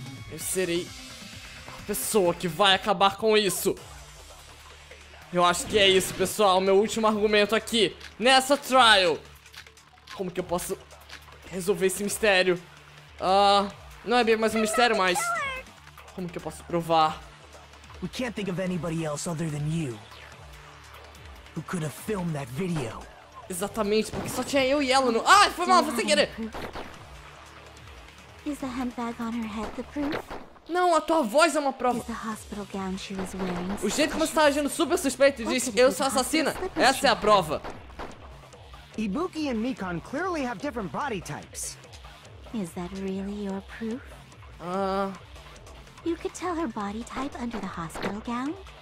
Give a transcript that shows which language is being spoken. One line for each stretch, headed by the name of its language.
Portuguese: Eu serei a pessoa que vai acabar com isso. Eu acho que é isso, pessoal. Meu último argumento aqui nessa trial. Como que eu posso resolver esse mistério? Não é bem mais um mistério, mas como que eu posso provar?
English: We can't think of anybody else other than you who could have filmed that video.
Portuguese: Exatamente, porque só tinha eu e ela no... Ah, foi mal, foi sem querer.
English: Is the handbag on her head the proof?
Portuguese: Não, a tua voz é uma prova.
English: Is the hospital gown she was wearing?
Portuguese: O jeito como você tá agindo super suspeito e disse eu sou assassina, essa é a prova.
English: Ibuki and Mikan clearly have different body types. Is that really your proof? You could tell her body type under the hospital gown?